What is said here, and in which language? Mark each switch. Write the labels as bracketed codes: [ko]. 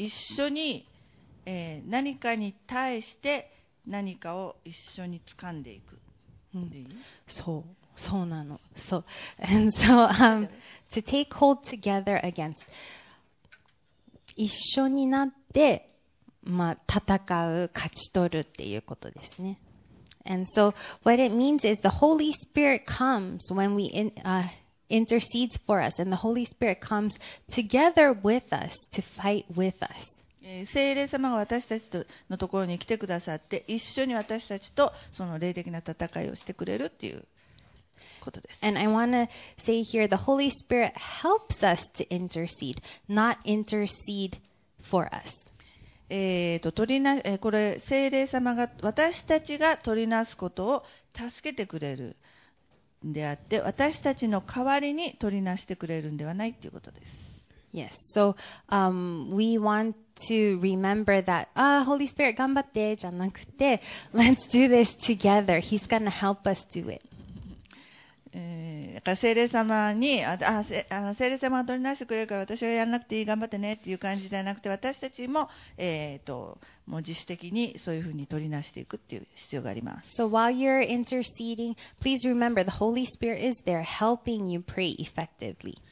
[ja] 一緒に、何かに対して何かを一緒に掴んでいく。そうなの。そう。 [en] And so, to take hold together against. [ja] 一緒になって、まあ、戦う、勝ち取るっていうことですね。 [en] And so, what it means is the Holy Spirit comes when we intercedes for us, and the Holy Spirit comes together with us to fight with us. [ja] 聖霊様が私たちのところに来てくださって、一緒に私たちとその霊的な戦いをしてくれるっていうことです。 [en] And I want to say here, the Holy Spirit helps us to intercede, not intercede for us. [ja] これ聖霊様が私たちが取りなすことを助けてくれるんであって私たちの代わりに取りなしてくれるんではないということです。 [en] Yes, so we want to remember that, Holy Spirit, [ja] 頑張ってじゃなくて [en] Let's do this together. He's going to help us do it. [ja] 聖霊様に聖霊様が取りなしてくれるから私がやらなくていい頑張ってねっていう感じではなくて私たちも、もう自主的にそういうふうに取りなしていくっていう必要があります。 [en] So while you're interceding, please remember the Holy Spirit is there helping you pray effectively.